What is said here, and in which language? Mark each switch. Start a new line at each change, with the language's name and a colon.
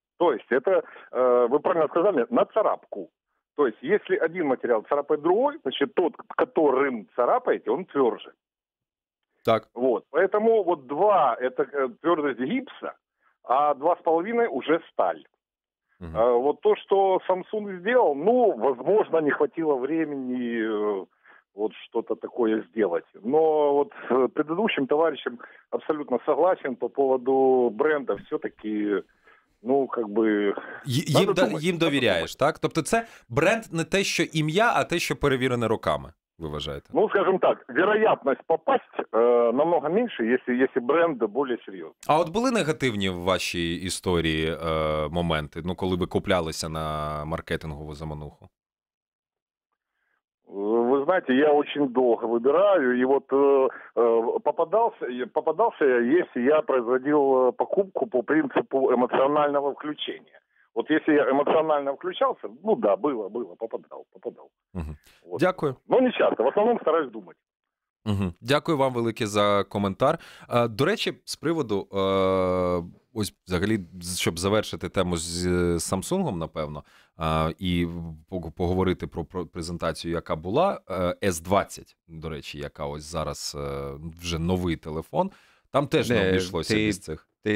Russian: То есть это, вы правильно сказали, на царапку. То есть если один материал царапает другой, значит, тот, которым царапаете, он тверже. Так. Вот. Поэтому вот 2 – это твердость гипса, а 2,5 – уже сталь. Uh-huh. Вот то, что Samsung сделал, ну, возможно, не хватило времени вот что-то такое сделать. Но вот с предыдущим товарищем абсолютно согласен по поводу бренда. Все-таки, ну, как бы...
Ukrainian: Їм довіряєш, так? Тобто це бренд не те, що ім'я, а те, що перевірене руками, ви вважаєте? Ну, скажімо так, вероятність попасти намного менше, якщо бренд більш серйозний. А от були негативні в вашій історії моменти, ну, коли ви куплялися на маркетингову замануху?
Russian: Вы знаете, я очень долго выбираю, и вот попадался я, если я производил покупку по принципу эмоционального включения. Вот если я эмоционально включался, ну да, было, попадал.
Ukrainian: Угу. Вот. Дякую.
Russian: Ну не часто, в основном стараюсь думать.
Ukrainian: Угу. Дякую вам велике за коментар. До речі, з приводу, ось взагалі, щоб завершити тему з Samsung, напевно, і поговорити про презентацію, яка була, S20, до речі, яка ось зараз вже новий телефон, там теж не обійшлося без цих.